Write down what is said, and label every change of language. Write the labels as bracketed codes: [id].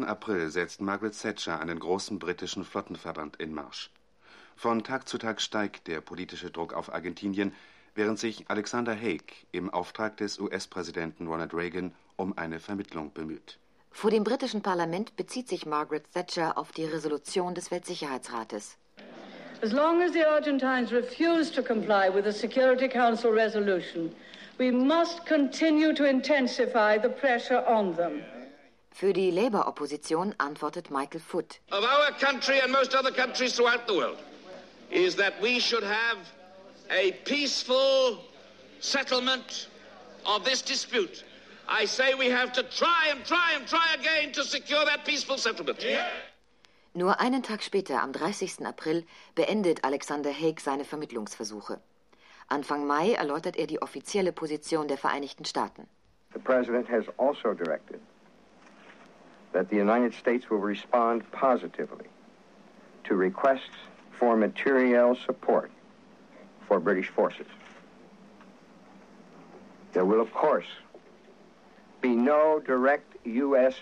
[de] April setzt Margaret Thatcher einen großen britischen Flottenverband in Marsch. Von Tag zu Tag steigt der politische Druck auf Argentinien, während sich Alexander Haig im Auftrag des US-Präsidenten Ronald Reagan um eine Vermittlung bemüht. Vor dem britischen Parlament bezieht sich Margaret Thatcher auf die Resolution des Weltsicherheitsrates. [en] As long as the Argentines refuse to comply with the Security Council resolution, we must continue to intensify the pressure on them. [de] Für die Labour-Opposition antwortet Michael Foot. [en] Of our country and most other countries throughout the world is that we should have a peaceful settlement of this dispute. I say we have to try and try and try again to secure that peaceful settlement. Yeah. [de] Nur einen Tag später, am 30. April, beendet Alexander Haig seine Vermittlungsversuche. Anfang Mai erläutert er die offizielle Position der Vereinigten Staaten. [en] The President has also directed that the United States will respond positively to requests for material support for British forces. There will, of course, be no direct U.S.